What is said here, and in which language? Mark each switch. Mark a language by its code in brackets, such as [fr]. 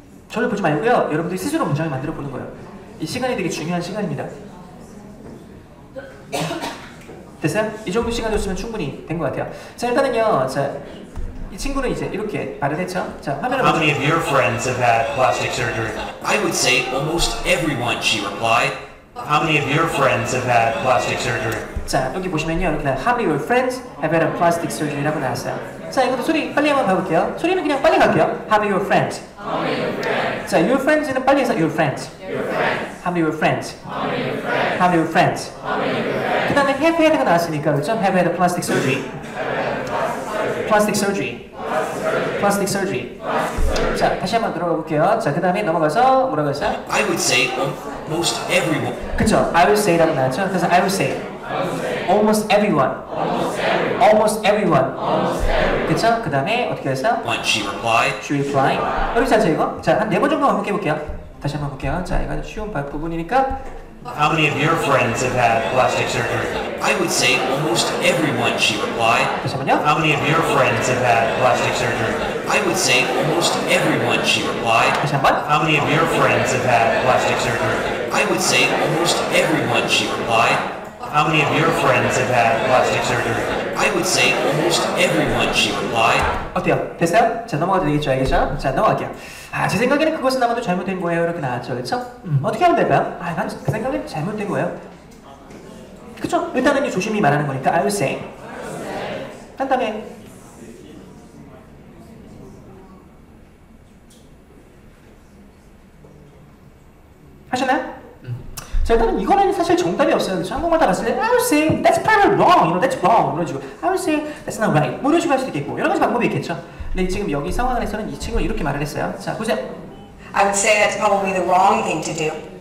[ko] 저를 보지 말고요. 여러분들이 스스로 문장을 만들어 보는 거예요. 이 시간이 되게 중요한 시간입니다. 됐어요? 이 정도 시간 줬으면 충분히 된 것 같아요. 자, 일단은요. 자, 이 친구는 이제 이렇게 말을 했죠. 자, 화면을 [en] How many of your friends have had plastic surgery? I would say almost everyone, she replied. How many of your friends have had plastic surgery? [ko] 자, 여기 보시면요. 이렇게 [en] How many of your friends have had a plastic surgery라고 [ko] 나왔어요. 자, 이것도 소리 빨리 한번 봐볼게요. 소리는 그냥 빨리 갈게요. [en] How many of your friends? How many of your friends? [ko] 자, [en] your friends [ko] 는 빨리 해서 your friends. [en] Your friends. How many of your friends? How many of your friends? How many of your friends? How many of your friends? [ko] 그 다음에 [en] have had가 [ko] 나왔으니까 그렇죠? [en] Have had a plastic surgery. Have had a plastic surgery. Plastic surgery. Plastic surgery. Plastic surgery. Plastic surgery. [ko] 자, 다시 한번 들어가 볼게요. 자, 그 다음에 넘어가서 뭐라고 했어요? [en] I would say almost everyone. [ko] 그쵸? [en] I would say [ko] 라고 나왔죠? 그래서 I would say. [en] Almost everyone. Almost everyone. everyone. [ko] 그쵸? 그 다음에 어떻게 했어? [en] When she replied. She replied. [ko] 어렵지 않죠 이거? 자, 한 네 번 정도 반복해 볼게요. 다시 한번 볼게요. 자, 이건 쉬운 부분이니까. [en] How many of your friends have had plastic surgery? I would say almost everyone, she replied. [ko] 다시 한번요. [en] How many of your friends have had plastic surgery? I would say almost everyone, she replied. [ko] 다시 한 번. [en] How many of your friends have had plastic surgery? I would say almost everyone, she replied. How many of your friends have had plastic surgery? I would say almost everyone, she replied. [ko] 어때요? 됐어요? 자, 넘어가도 되겠죠? 알겠죠? 자, 넘어갈게요. 아, 제 생각에는 그것은 아마도 잘못된 거예요. 이렇게 나왔죠, 그쵸? 어떻게 하면 될까요? 아, 난 그 생각은 잘못된 거예요. 그쵸? 일단은 조심히 말하는 거니까 [en] I would say. [ko] 한 다음에 하셨나요? 자, 일단은 이거는 사실 정답이 없어요. 그쵸? 한국말다 봤을 때 [en] I would say that's probably wrong. You know, that's wrong. [ko] 물어주고 [en] I would say that's not right. [ko] 물어주고 할 수도 있겠고 여러 가지 방법이 있겠죠. 근데 지금 여기 상황에서는 이 친구가 이렇게 말을 했어요. 자, 보세요. [en] I would say that's probably the wrong thing to do.